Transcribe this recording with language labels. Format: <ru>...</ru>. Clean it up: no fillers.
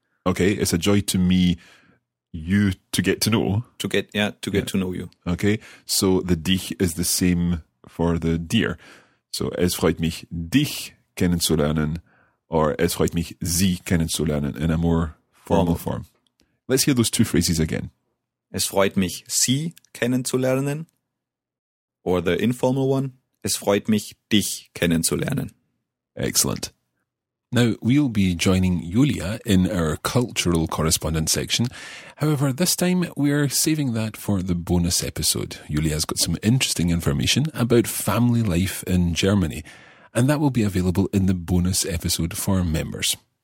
<en>Okay, it's a joy to me, you to get to know. To get to know you. Okay, so the dich is the same for the dir.</en> <de>So es freut mich, dich kennenzulernen, or es freut mich, sie kennenzulernen</de> <en>in a more formal form. Let's hear those two phrases again.</en> <de>Es freut mich, sie kennenzulernen,</de> <en>or the informal one.</en> <de>Es freut mich, dich kennenzulernen.</de> <en>Excellent. Now, we'll be joining Yulia in our cultural correspondence section. However, this time we're saving that for the bonus episode. Yulia's got some interesting information about family life in Germany, and that will be available in the bonus episode for members.</en>